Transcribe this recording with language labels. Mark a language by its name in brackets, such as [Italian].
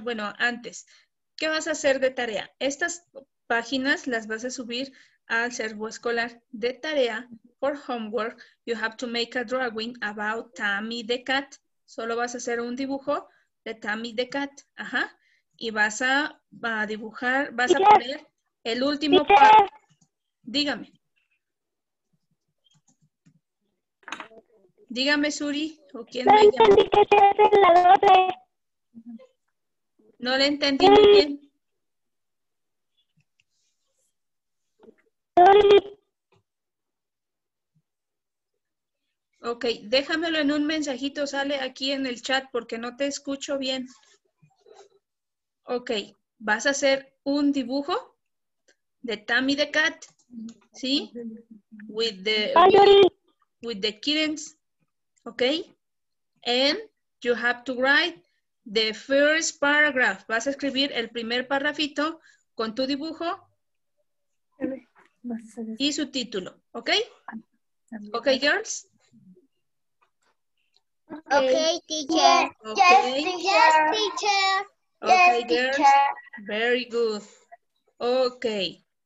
[Spanish] Bueno, antes, ¿qué vas a hacer de tarea? Estas páginas las vas a subir al servo escolar de tarea. [English] For homework, you have to make a drawing about Tammy the cat. [Spanish] Solo vas a hacer un dibujo de Tammy the cat. Ajá. Y vas a dibujar, vas a poner el último par. Dígame. Dígame, Suri, o quién me llama. No entendí que se hace la 12. No le entendí muy bien. Ok, déjamelo en un mensajito, sale aquí en el chat porque no te escucho bien. Ok, vas a hacer un dibujo de Tammy the Cat, ¿sí? [English] With the kittens, ¿ok? And you have to write the first paragraph. [Spanish] Vas a escribir el primer parrafito con tu dibujo y su título, ¿ok? [English] Ok, girls. Ok, teacher. Okay. Yes, teacher. Okay, yes, girls. Very good. Okay.